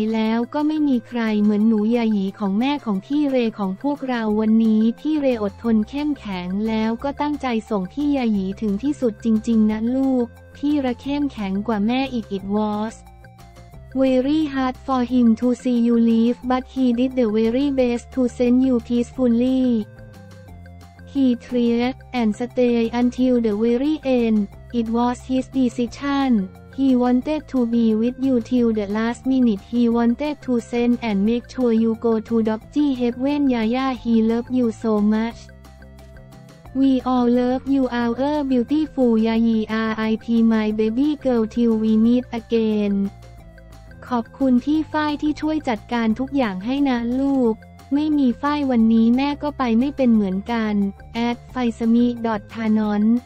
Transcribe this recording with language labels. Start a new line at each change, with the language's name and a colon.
Thai: แล้วก็ไม่มีใครเหมือนหนูยายีของแม่ของพี่เรของพวกเราวันนี้พี่เรอดทนเข้มแข็งแล้วก็ตั้งใจส่งพี่ยายีถึงที่สุดจริงๆนะลูกพี่ระเข้มแข็งกว่าแม่อีก
English: it wasVery hard for him to see you leave, but he did the very best to send you peacefully. He tried and stayed until the very end. It was his decision. He wanted to be with you till the last minute. He wanted to send and make sure you go to Doggy Heaven. Yaya, he loved you so much. We all love you our beautiful Yayi RIP my baby girl till we meet again
Thai: ขอบคุณที่ฝ้ายที่ช่วยจัดการทุกอย่างให้นะลูกไม่มีฝ้ายวันนี้แม่ก็ไปไม่เป็นเหมือนกัน @faisami.thanon